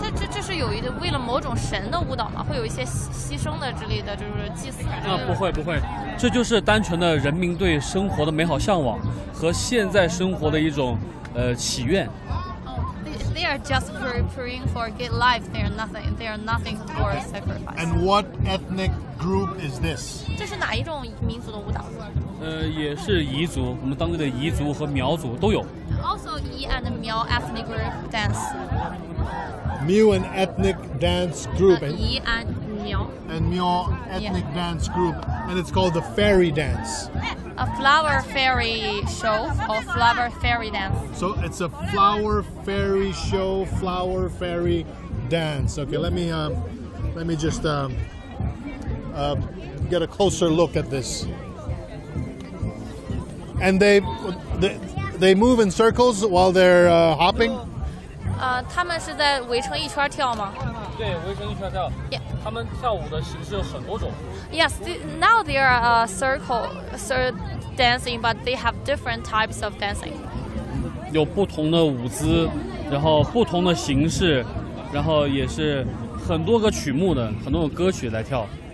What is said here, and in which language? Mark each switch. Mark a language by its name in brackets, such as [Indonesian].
[Chinese] 这是有一为了某种神的舞蹈吗？会有一些牺牲的之类的，就是祭祀啊？不会不会，这就是单纯的人民对生活的美好向往和现在生活的一种祈愿。 [English] They are just praying for a good life. They are nothing for sacrifice. And what ethnic group is this? [Chinese] 这是哪一种民族的舞蹈？也是彝族，我们当地的彝族和苗族都有。 [English] Also, Yi and Miao ethnic group dance. Miao and ethnic dance group. Yi and Miao. And Miao ethnic dance group. And it's called the fairy dance. A flower fairy show or flower fairy dance. So it's a flower fairy show, flower fairy dance. Okay, let me just get a closer look at this. And they move in circles while they're hopping? [Chinese] 他们是在围成一圈跳吗？对，围成一圈跳。 [English] Yeah. [Chinese] 他们跳舞的形式有很多种。 [English] Yes, now they are a circle dancing, but they have different types of dancing. [Chinese] 有不同的舞姿，然后不同的形式，然后也是很多个曲目的，很多个歌曲来跳。